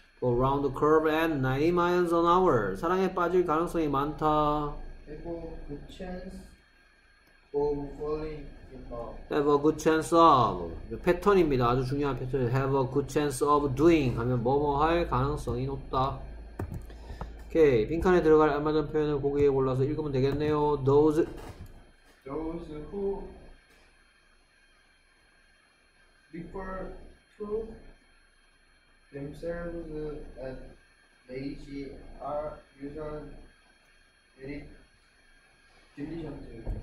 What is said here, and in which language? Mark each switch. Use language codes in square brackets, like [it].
[en] Go around the curve at 90 miles an hour. [ko] 사랑에 빠질 가능성이 많다. [en] Have a good chance. Of falling in love. Have a good chance of. [ko] 패턴입니다. 아주 중요한 패턴. [en] Have a good chance of doing. [ko] 하면 뭐뭐 할 가능성이 높다. 오케이. 빈칸에 들어갈 알맞은 표현을 보기에 골라서 읽으면 되겠네요. [en] Those who refer to themselves as lazy are usually diligent.